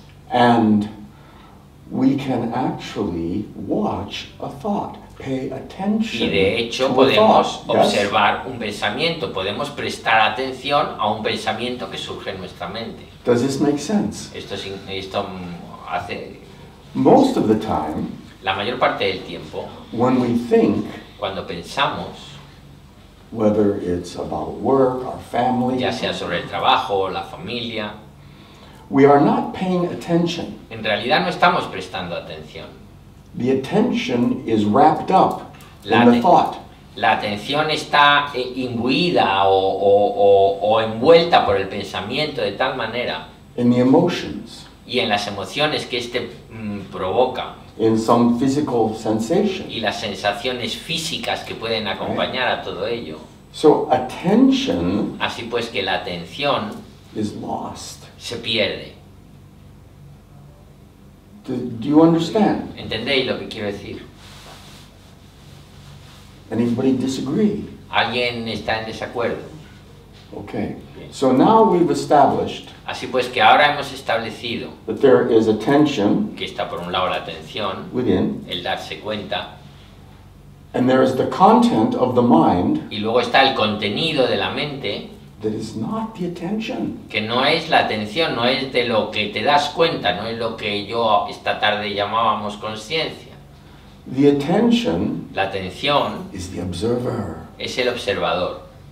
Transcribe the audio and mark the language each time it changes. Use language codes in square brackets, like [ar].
[en] And we can actually watch a thought, pay attention. [es] Y de hecho podemos observar un pensamiento, podemos prestar atención a un pensamiento que surge en nuestra mente. [en] Does this make sense? [es] Esto hace. [en] Most of the time. [es] La mayor parte del tiempo. [en] When we think. [es] Cuando pensamos. [en] Whether it's about work or family. [es] Ya sea sobre el trabajo o la familia. [en] We are not paying attention. [es] En realidad no estamos prestando atención. [en] The attention is wrapped up in the thought. [es] La atención está imbuida o envuelta por el pensamiento de tal manera. [en] In the emotions. [es] Y en las emociones que este provoca. [en] In some physical sensation. [es] Y las sensaciones físicas que pueden acompañar, right? A todo ello. [en] So attention. [es] Así pues que la atención [en] is lost. [es] Se pierde. [en] Do you understand? [es] ¿Entendéis lo que quiero decir? [en] Anybody disagree? [es] ¿Alguien está en desacuerdo? [en] Okay. So now we've established. [es] Así pues que ahora hemos establecido. [en] That there is a tension. [es] Que está por un lado la tensión. [en] Within. [es] El darse cuenta. [en] And there is the content of the mind. [es] Y luego está el contenido de la mente. [en] That is not the attention. [es] Que no es la atención, no es de lo que te das cuenta, no es lo que yo esta tarde llamábamos conciencia. [en] The attention. [es] La atención. [en] Is the observer. [es] Es el observador.